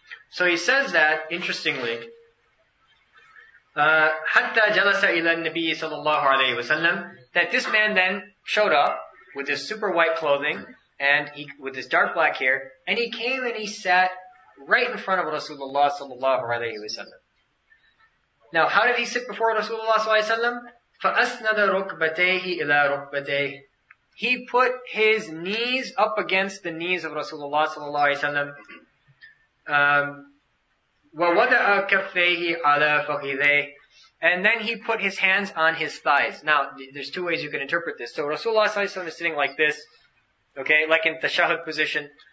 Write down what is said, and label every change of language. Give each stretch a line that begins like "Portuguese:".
English: So he says that, interestingly,
Arabic: حتى جلس إلى النبي صلى الله عليه وسلم,
English: that this man then showed up with his super white clothing and he with his dark black hair, and he came and he sat right in front of Rasulullah صلى الله عليه وسلم. Now, how did he sit before Rasulullah صلى الله عليه وسلم?
Arabic: فأسند ركبتيه إلى ركبتيه.
English: He put his knees up against the knees of Rasulullah صلى الله عليه وسلم.
Arabic: وَوَدَعَ كَفَّيْهِ عَلَى فَقِذَيْهِ.
English: And then he put his hands on his thighs. Now, there's two ways you can interpret this. So Rasulullah is sitting like this, okay, like in the tashahhud position.